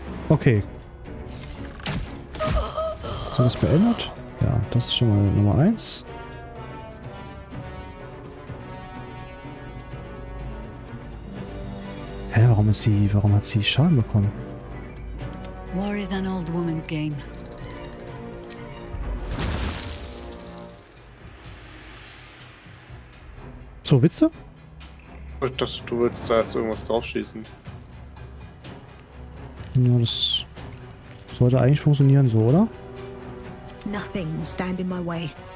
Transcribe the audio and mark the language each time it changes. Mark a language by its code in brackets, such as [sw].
[de] Okay. Ist das beendet? Ja, das ist schon mal Nummer 1. Hä, warum ist sie, warum hat sie Schaden bekommen? [en] War is an old woman's game. [de] So, Witze? Das, du willst zuerst irgendwas draufschießen. Ja, das sollte eigentlich funktionieren, so, oder? [en] Nothing will stand in my way.